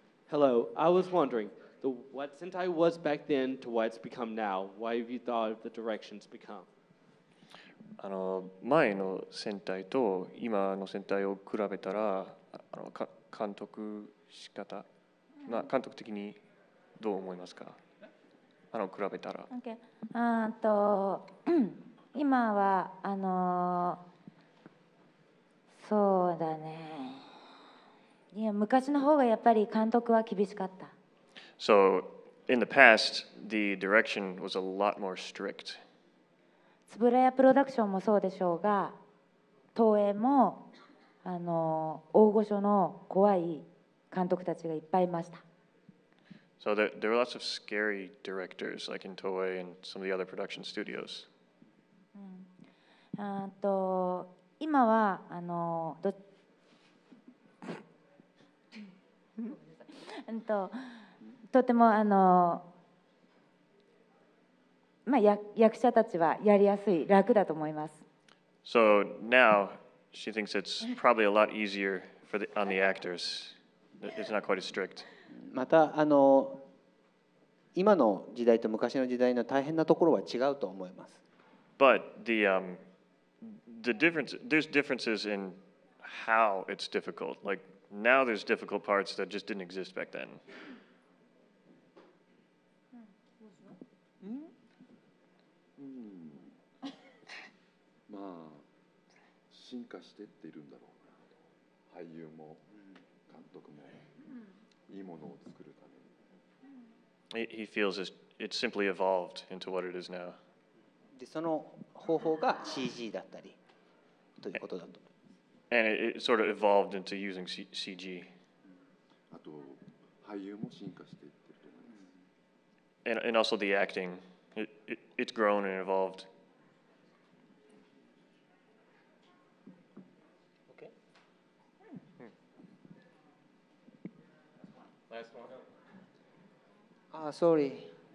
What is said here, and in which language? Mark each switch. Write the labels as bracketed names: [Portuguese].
[English] Hello, I was wondering, what Sentai was back then to what it's become now? Why have you thought of the direction it's become? [Japanese] あの前の戦隊と今の戦隊を比べたら、あの監督仕方、まあ、監督的にどう思いますか？あの比べたら、 [English] okay. [Japanese] と今はあのそうだね、いや昔の方がやっぱり監督は厳しかった。 [English] So in the past the direction was a lot more strict [Japanese] つぶらやプロダクションもそうでしょうが、東映もあの大御所の怖い監督たちがいっぱいいました。 [English] So there were lots of scary directors like in Toei and some of the other production studios. うん。 [Japanese] 今はあのど、とてもあの。まあ、役者たちはやりやすい、楽だと思います。 [English] So now she thinks it's probably a lot easier for the, on the actors. It's not quite as strict. [Japanese] またあの今の時代と昔の時代の大変なところは違うと思います。 [English] But the difference, there's differences in how it's difficult. Like now there's difficult parts that just didn't exist back then. [Japanese] まあ進化してっているんだろうな。俳優も監督もいいものを作るために。 [English] He feels it's simply evolved into what it is now. [Japanese] でその方法が CG だったりということだと。 [English] And it sort of evolved into using CG. [Japanese] あと俳優も進化していってると思います。 [English] And also the acting, it's grown and evolved. Ah, sorry.